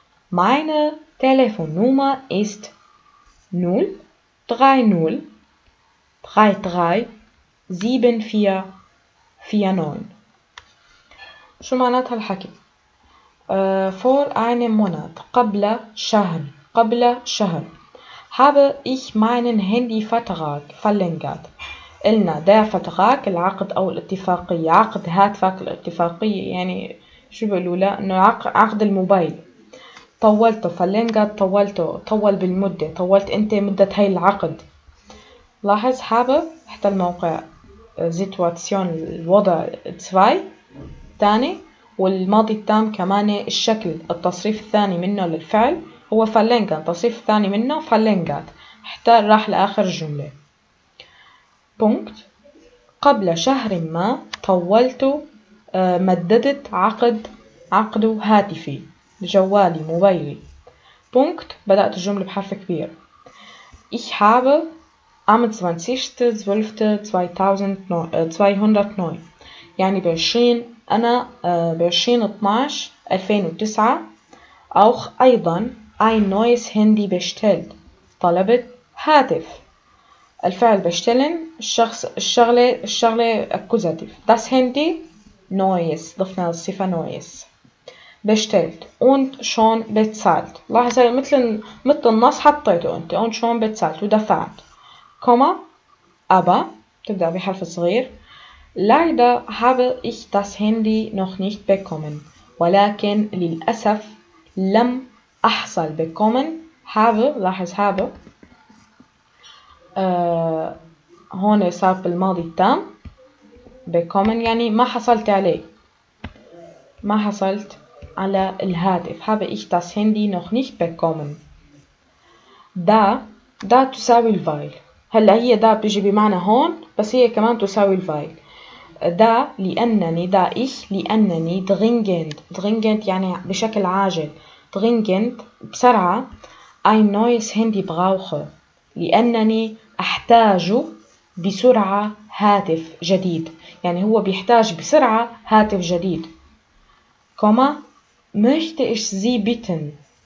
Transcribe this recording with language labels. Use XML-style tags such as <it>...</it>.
<de>Meine Telefonnummer ist 030 337449.</de> <ar>شو معناتها الحكي؟</ar> <de>Vor einem Monat،</de> <ar>قبل شهر، قبل شهر،</ar> <de>habe ich meinen Handyvertrag verlängert.</de> <ar>قلنا</ar> <de>der Vertrag،</de> <ar>العقد أو الاتفاقية، عقد هاتفك الاتفاقية، يعني شو بيقولوا له؟ إنه عقد الموبايل. طولته، فلنجات طولته، طول بالمدة، طولت أنت مدة هاي العقد. لاحظ habe حتى الموقع situation الوضع 2 ثاني، والماضي التام كمان الشكل التصريف الثاني منه للفعل هو verlängert، التصريف الثاني منه verlängert حتى راح لآخر جملة.</ar> <de>Punkt.</de> <ar>قبل شهر ما طولت مددت عقد هاتفي جوالي موبايلي. Punkt. بدأت الجملة بحرف كبير.</ar> <de>Ich habe am 20.12.2009،</de> <ar>يعني بعشرين أنا بعشرين</ar> <de>12 2009، auch أيضا ein neues Handy bestellt،</de> <ar>طلبت هاتف. الفعل بشتلن، الشخص الشغلة أكوزاتيف،</ar> <de>das Handy neues،</de> <ar>ضفنا الصفة neues،</ar> <de>bestellt und schon bezahlt.</de> <ar>لاحظ مثل النص حطيته أنت</ar> <de>und schon bezahlt</de> <ar>ودفعت. كما aber تبدا بحرف صغير.</ar> <de>leider habe ich das Handy noch nicht bekommen،</de> <ar>ولكن للاسف لم احصل.</ar> <de>bekommen habe،</de> <ar>لاحظ habe هون صار بالماضي التام. bekommen يعني ما حصلت عليه، ما حصلت على الهاتف.</ar> <de>habe ich das Handy noch nicht bekommen.</de> <ar>da تساوي الفايل. هلا هي دا بيجي بمعنى هون، بس هي كمان تساوي الفايل. دا لأنني، دا إيش؟ لأنني دغينجند، دغينجند يعني بشكل عاجل، دغينجند بسرعة. أي نويس هندي براوخه، لأنني أحتاج بسرعة هاتف جديد، يعني هو بيحتاج بسرعة هاتف جديد. كما</ar> <de>möchte ich Sie bitten،</de>